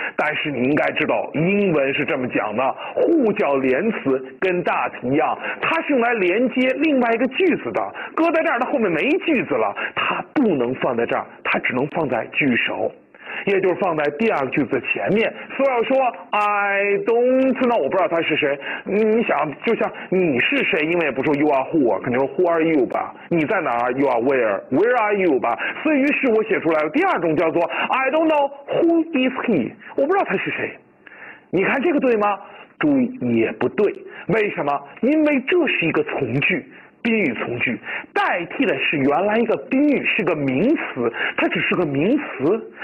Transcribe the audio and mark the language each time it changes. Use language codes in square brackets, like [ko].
[zh] 但是你应该知道，英文是这么讲的。Who 叫连词，跟 that 一样，它是用来连接另外一个句子的。搁在这儿，它后面没句子了，它不能放在这儿，它只能放在句首，也就是放在第二个句子前面。所以要说 [en] I don't know， [zh] 我不知道他是谁。你想，就像你是谁，因为也不说 [en] you are who， [zh] 肯定说 [en] who are you [zh] 吧，你在哪儿， [en] you are where， where are you [zh] 吧。所以于是我写出来的第二种叫做 [en] I don't know who is he， [zh] 我不知道他是谁。你看这个对吗？注意，也不对。为什么？因为这是一个从句，宾语从句，代替的是原来一个宾语，是个名词，它只是个名词。